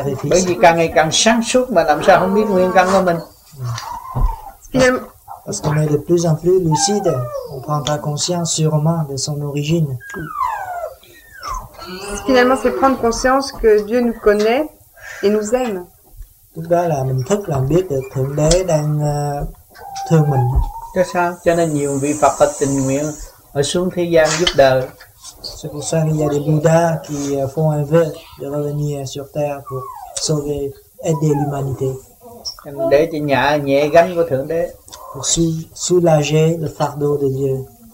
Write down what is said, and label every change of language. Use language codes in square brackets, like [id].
[vi] Bởi vì càng ngày càng sáng suốt mà làm sao không biết nguyên căn của mình. [fr] Parce qu'on est de plus en plus lucide, on prend pas conscience sûrement de son origine. Finalement, c'est prendre conscience que Dieu nous connaît et nous aime. Tout ça, là, [vi] mình thức là biết được Thượng Đế đang thương mình. Cho sao? Cho nên nhiều vị Phật có tình nguyện ở xuống thế gian giúp đời. [fr] C'est pour ça qu'il y a des Bouddhas qui font un vœu de revenir sur terre pour sauver, aider l'humanité. [vi] Để cho nhà nhẹ gánh của Thượng Đế. [fr] Pour soulager le fardeau de Dieu.